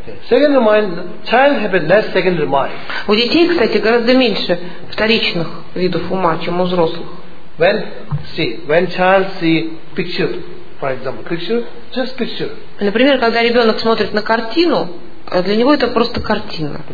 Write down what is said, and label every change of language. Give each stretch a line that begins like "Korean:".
English: Secondary mind, child have less secondary mind.
Russian: У детей, кстати, гораздо меньше вторичных видов ума, чем у взрослых.
English: When child see picture, for example, picture, just picture.
Russian: Например, когда ребенок смотрит на картину, для него это просто картина.